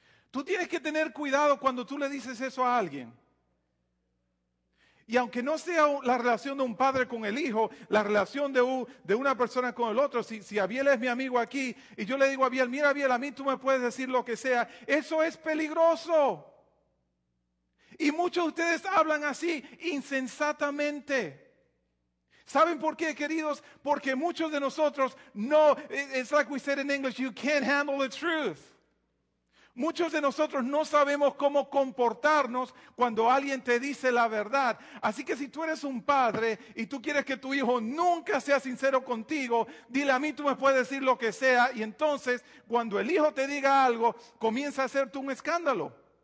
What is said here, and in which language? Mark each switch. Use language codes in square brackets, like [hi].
[es] Tú tienes que tener cuidado cuando tú le dices eso a alguien. Y aunque no sea la relación de un padre con el hijo, la relación de una persona con el otro, si Abiel es mi amigo aquí, y yo le digo a Abiel, mira Abiel, a mí tú me puedes decir lo que sea, eso es peligroso. Y muchos de ustedes hablan así, insensatamente. ¿Saben por qué, queridos? Porque muchos de nosotros, no, [en] it's like we said in English, you can't handle the truth. [es] Muchos de nosotros no sabemos cómo comportarnos cuando alguien te dice la verdad. Así que si tú eres un padre y tú quieres que tu hijo nunca sea sincero contigo, dile a mí, tú me puedes decir lo que sea. Y entonces, cuando el hijo te diga algo, comienza a hacerte un escándalo.